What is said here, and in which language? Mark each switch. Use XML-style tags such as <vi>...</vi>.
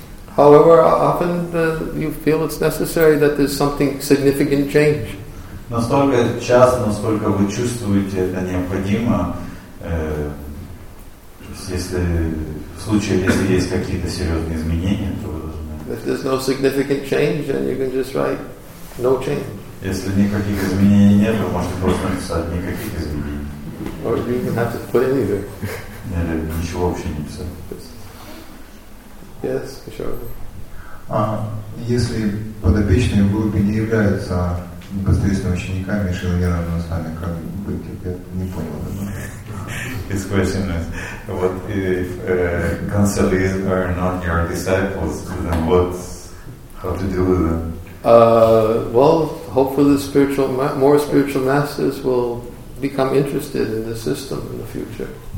<en>However, often you feel it's necessary that there's something significant change.</en> <ru>Настолько часто, насколько вы чувствуете это необходимо, если в случае, если есть какие-то серьезные изменения, то вы должны.</ru> <en>If there's no significant change, then you can just write no change.</en> <ru>Если никаких изменений нет, вы можете просто написать никаких изменений.</ru> <en>Or you don't have to put anything.</en> <ru>Или ничего вообще не писать.</ru> <en>Yes, sure.</en> <ru>Если подопечные в группе не являются непосредственно учениками Шрилы Нирвана с вами, как быть? Я не понял.</ru> <en>His question is, what if counselees are not your disciples, then how to deal with them? Well, hopefully more spiritual masters will become interested in the system in the future.</en>